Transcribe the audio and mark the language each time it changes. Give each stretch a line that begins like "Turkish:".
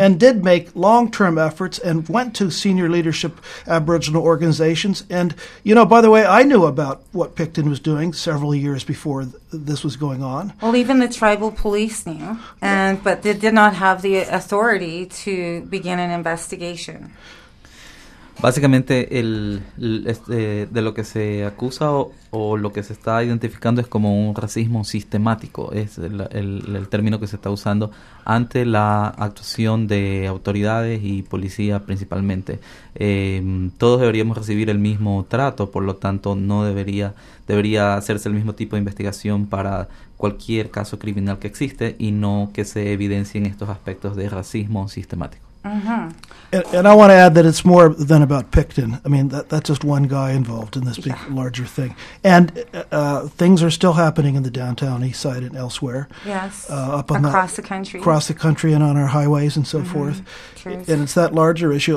English: and did make long-term efforts and went to senior leadership Aboriginal organizations. And, you know, by the way, I knew about what Picton was doing several years before this was going on. Well, even the tribal police knew, but they did not have the authority to begin an investigation.
Spanish: Básicamente, de lo que se acusa o lo que se está identificando es como un racismo sistemático, es el término que se está usando ante la actuación de autoridades y policía principalmente. Todos deberíamos recibir el mismo trato, por lo tanto, no debería hacerse el mismo tipo de investigación para cualquier caso criminal que existe y no que se evidencien estos aspectos de racismo sistemático. Mm-hmm.
English: And I want to add that it's more than about Picton. I mean, that's just one guy involved in this big, yeah, larger thing. And things are still happening in the downtown east side and elsewhere. Yes, up on across the country. Across the country and on our highways and so, mm-hmm, forth. Truth. And it's that larger issue.